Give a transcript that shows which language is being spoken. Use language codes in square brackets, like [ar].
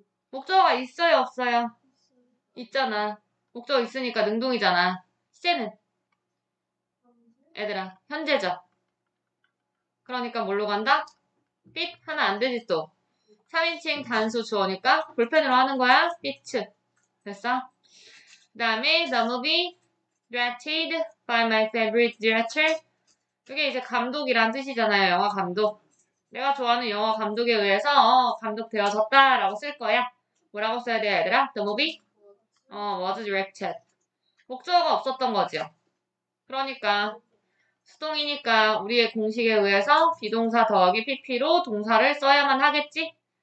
[ko] 목적어가 있어요, 없어요? 있잖아. 목적어 있으니까 능동이잖아. 시제는? 얘들아, 현재죠. 그러니까 뭘로 간다? 삑 하면 안 되지 또. 3인칭 단수 주어니까 볼펜으로 하는 거야. 삑츠. 됐어? 그 다음에 [en] The movie directed by my favorite director. [ko] 그게 이제 감독이란 뜻이잖아요. 영화 감독. 내가 좋아하는 영화 감독에 의해서 감독 되어졌다라고 쓸 거야. 뭐라고 써야 돼, 얘들아? [en] The movie was directed. [ko] 목적어가 없었던 거지요. 그러니까 수동이니까 우리의 공식에 의해서 비동사 더하기 PP로 동사를 써야만 하겠지?